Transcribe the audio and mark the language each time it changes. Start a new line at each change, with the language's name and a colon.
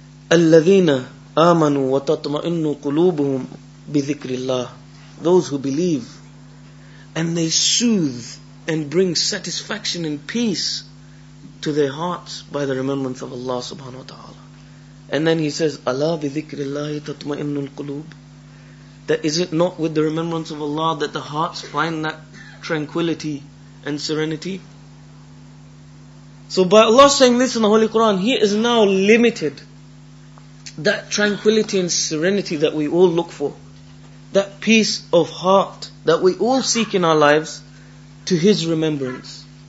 Arabic: الَّذِينَ آمَنُوا وَتَطْمَئِنُّوا قُلُوبُهُمْ بِذِكْرِ اللَّهِ.
English: Those who believe and they soothe and bring satisfaction and peace to their hearts by the remembrance of Allah subhanahu wa ta'ala. And then he says,
Arabic: أَلَا بِذِكْرِ اللَّهِ تَطْمَئِنُّ الْقُلُوبُ.
English: That is it not with the remembrance of Allah that the hearts find that tranquility and serenity? So by Allah saying this in the Holy Quran, He is now limited that tranquility and serenity that we all look for, that peace of heart that we all seek in our lives, to His remembrance.